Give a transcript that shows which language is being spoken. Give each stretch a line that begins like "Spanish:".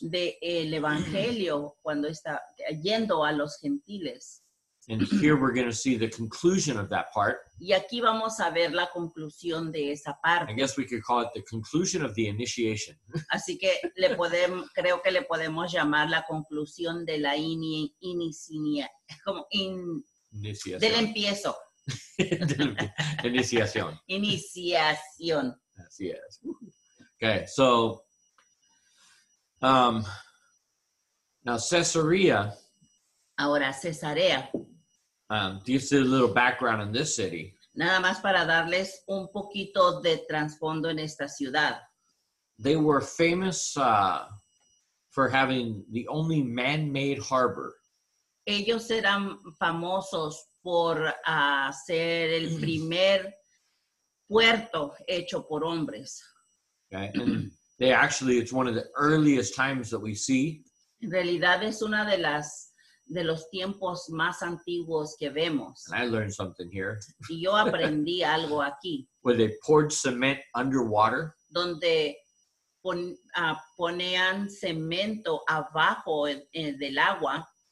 Spanish: De el evangelio cuando está yendo a los gentiles.
English: And here we're going to see the conclusion of that part.
Spanish: Y aquí vamos a ver la conclusión de esa parte.
English: I guess we could call it the conclusion of the initiation.
Spanish: Así que creo que le podemos llamar la conclusión de la iniciación. Del empiezo. Iniciación. Iniciación. Así es.
English: Okay, so now Caesarea.
Spanish: Ahora Cesarea.
English: Just a little background in this city.
Spanish: Nada más para darles un poquito de trasfondo en esta ciudad.
English: They were famous for having the only man-made harbor.
Spanish: Ellos eran famosos por ser el primer puerto hecho por hombres.
English: Okay. And they actually, it's one of the earliest times that we see.
Spanish: En realidad es una de las de los tiempos más antiguos que vemos.
English: And I learned something here.
Spanish: Y yo aprendí algo aquí.
English: Where they poured cement underwater.
Spanish: Donde ponían cemento abajo del agua.